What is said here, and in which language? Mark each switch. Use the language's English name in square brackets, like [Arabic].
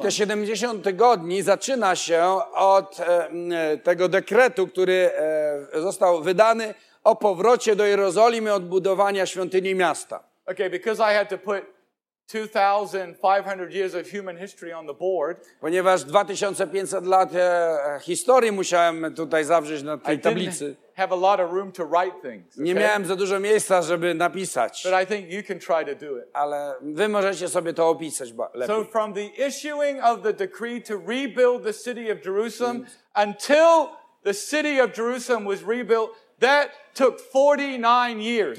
[Polish] I te 70 tygodni zaczyna się od tego dekretu, który został wydany o powrocie do Jerozolimy, odbudowania świątyni miasta. [English] Okay, because I had to put 2,500 years of human history on the board. [Polish] Ponieważ 2,500 lat historii musiałem tutaj zawrzeć na tej tablicy. [English] I didn't have a lot of room to write things. Okay? [Polish] Nie miałem za dużo miejsca, żeby napisać. [English] But I think you can try to do it. [Polish] Ale wy możecie sobie to opisać lepiej. [English] So from the issuing of the decree to rebuild the city of Jerusalem until the city of Jerusalem was rebuilt, that took 49 years.